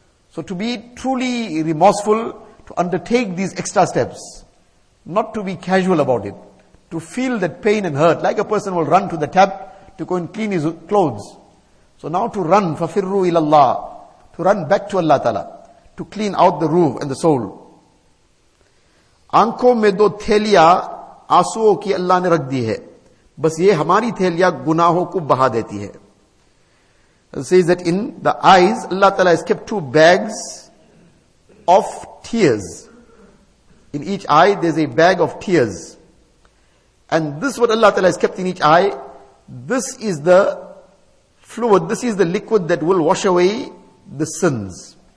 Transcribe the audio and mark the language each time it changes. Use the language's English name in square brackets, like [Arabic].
[English] So to be truly remorseful, to undertake these extra steps, not to be casual about it, to feel that pain and hurt, like a person will run to the tap to go and clean his clothes. So now to run, fafirru ilallah, to run back to Allah Ta'ala, to clean out the ruh and the soul. [Urdu] آنکھوں میں دو تھیلیاں آنسوؤں کی اللہ نے رکھ دی ہے, بس یہ ہماری تھیلیاں گناہوں کو بہا دیتی ہے. [English] Says that in the eyes, Allah Ta'ala has kept 2 bags of tears. In each eye, there's a bag of tears. And this, what Allah Ta'ala has kept in each eye, this is the fluid, this is the liquid that will wash away the sins.